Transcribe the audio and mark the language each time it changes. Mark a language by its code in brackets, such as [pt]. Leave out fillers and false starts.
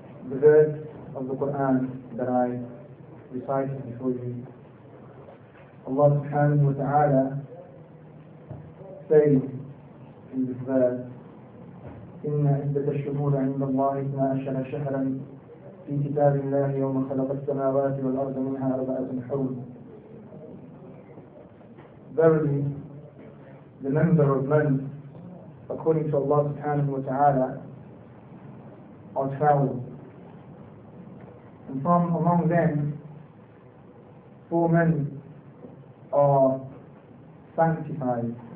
[en] The verse of the Quran that I recited before you. [ar] Allah subhanahu wa ta'ala says in this verse, إن عدة الشهور عند الله 12 شهرا في كتاب الله يوم خلق السماوات والأرض منها أربعة حرم. [en] Verily, the number of months according to Allah subhanahu wa ta'ala are 12. And from among them, 4 months are sanctified.